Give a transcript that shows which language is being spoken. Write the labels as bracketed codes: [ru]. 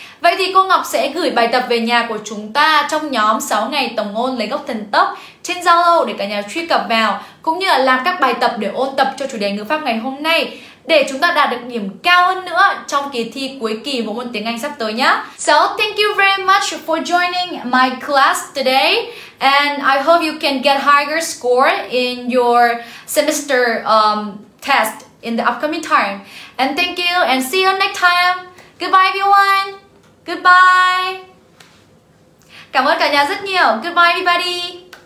[vi] Vậy thì cô Ngọc sẽ gửi bài tập về nhà của chúng ta trong nhóm 6 ngày tổng ôn lấy gốc thần tốc trên Zalo để cả nhà truy cập vào, cũng như là làm các bài tập để ôn tập cho chủ đề ngữ pháp ngày hôm nay để chúng ta đạt được điểm cao hơn nữa trong kỳ thi cuối kỳ một môn tiếng Anh sắp tới nhé. [en] So, thank you very much for joining my class today and I hope you can get higher score in your semester test in the upcoming time. And thank you and see you next time. Goodbye everyone. Goodbye. [vi] Cảm ơn cả nhà rất nhiều. [en] Goodbye everybody.